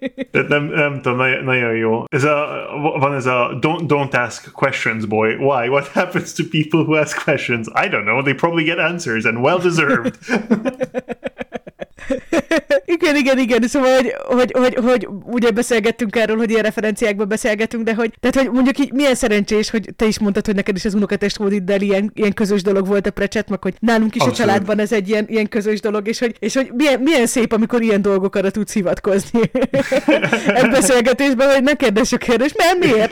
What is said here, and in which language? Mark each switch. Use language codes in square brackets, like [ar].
[hu] Tehát nem tudom, nagyon jó. Van ez a [en] don't ask questions, boy. Why? What happens to people who ask questions? I don't know, they probably get answers and well-deserved. [hu] Igen, szóval, hogy ugye beszélgettünk erről, hogy ilyen referenciákban beszélgetünk, de hogy, tehát, hogy mondjuk így milyen szerencsés, hogy te is mondtad, hogy neked is az unokatestvéreddel ilyen közös dolog volt a Pratchett, meg hogy nálunk is Abszolút. A családban ez egy ilyen közös dolog, és hogy milyen szép, amikor ilyen dolgokra tudsz hivatkozni egy beszélgetésben, hogy ne kérdezz a kérdést, mert miért?